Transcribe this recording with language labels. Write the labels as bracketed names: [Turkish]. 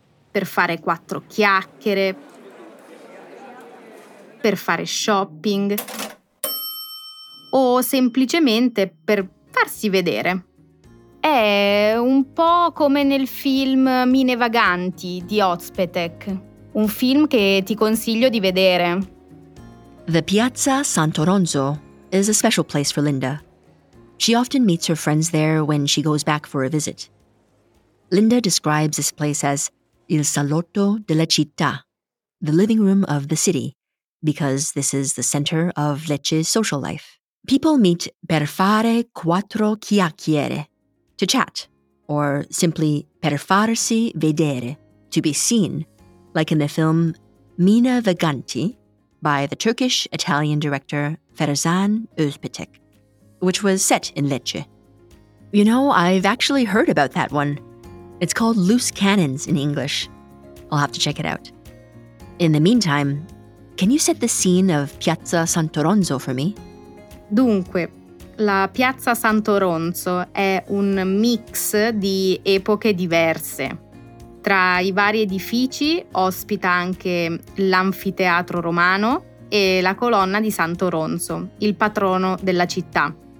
[Italian] Per fare 4 chiacchiere, per fare shopping o semplicemente per farsi vedere. È un po' come nel film Mine Vaganti di Ozpetek, un film che ti consiglio di vedere. [English] The Piazza Sant'Oronzo is a special place for Linda. She often meets her friends there when she goes back for a visit. Linda describes this place as [Italian] il salotto della città, [English] the living room of the city, because this is the center of Lecce's social life. People meet [Italian] per fare 4 chiacchiere, [English] to chat, or simply [Italian] per farsi vedere, [English] to be seen, like in the film Mine Vaganti by the Turkish-Italian director Ferzan Özpetek, which was set in Lecce. You know, I've actually heard about that one. It's called Loose Cannons in English. I'll have to check it out. In the meantime, can you set the scene of Piazza Sant'Oronzo for me? [Italian] Dunque, la Piazza Sant'Oronzo è un mix di epoche diverse. Tra i vari edifici ospita anche l'anfiteatro romano e la colonna di Sant'Oronzo, il patrono della città.